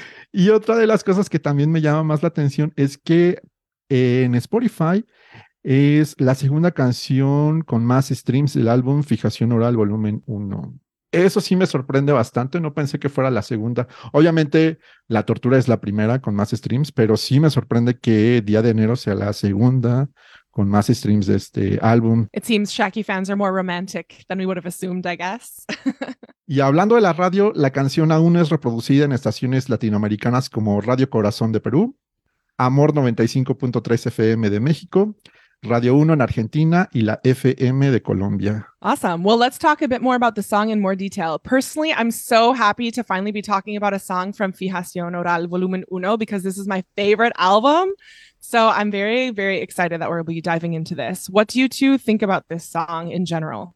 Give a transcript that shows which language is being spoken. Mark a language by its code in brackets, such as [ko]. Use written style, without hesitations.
[es] Y otra de las cosas que también me llama más la atención es que en Spotify es la segunda canción con más streams del álbum Fijación Oral Volumen 1. Eso sí me sorprende bastante. No pensé que fuera la segunda. Obviamente, La Tortura es la primera con más streams, pero sí me sorprende que Día de Enero sea la segunda con más streams de este álbum. [en] It seems Shaky fans are more romantic than we would have assumed, I guess. [es] Y hablando de la radio, la canción aún es reproducida en estaciones latinoamericanas como Radio Corazón de Perú, Amor 95.3 FM de México, Radio 1 en Argentina y la FM de Colombia. [en] Awesome. Well, let's talk a bit more about the song in more detail. Personally, I'm so happy to finally be talking about a song from Fijación Oral Volumen 1 because this is my favorite album. So I'm very, very excited that we'll be diving into this. What do you two think about this song in general?